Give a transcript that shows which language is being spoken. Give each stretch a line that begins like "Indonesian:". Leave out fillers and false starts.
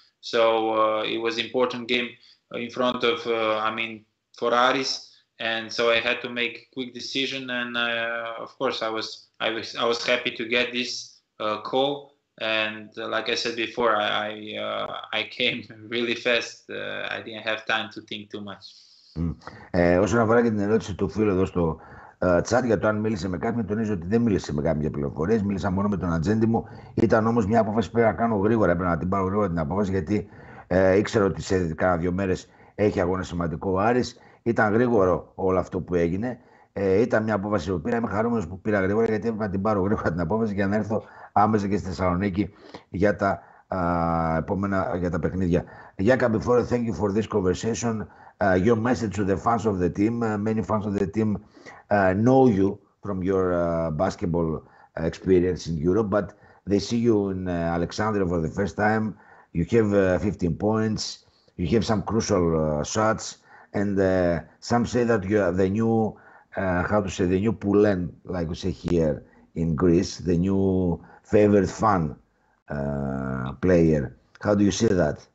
English: So it was important game in front of I mean, Ferraris, and so I had to make quick decision. And of course, I was happy to get this call. And like I said before, I came really fast. I didn't have time to think too much.
Greek: Όσον αφορά και την ερώτηση του φίλου εδώ στο chat για το αν μίλησε με κάποιον, τονίζω ότι δεν μίλησε με κάποιον για πληροφορίες, μίλησα μόνο με τον ατζέντη μου. Ήταν όμως μια απόφαση που πρέπει να κάνω γρήγορα, πρέπει να την πάρω γρήγορα την απόφαση, γιατί ήξερα ότι σε κάνα δύο μέρες έχει αγώνα σημαντικό ο Άρης. Ήταν γρήγορο όλο αυτό που έγινε. Ήταν μια απόφαση που πήρα. Είμαι χαρούμενος που πήρα γρήγορα, γιατί έπρεπε να την πάρω γρήγορα την απόφαση για να έρθω άμεσα και στη Θεσσαλονίκη για τα επόμενα, για τα παιχνίδια.
English: Γιάκα, before, thank you for this conversation. Your message to the fans of the team. Many fans of the team know you from your basketball experience in Europe, but they see you in Alexandria for the first time. You have 15 points. You have some crucial shots, and some say that you are the new, how to say, the new Poulen, like we say here in Greece, the new favorite fan player. How do you see that?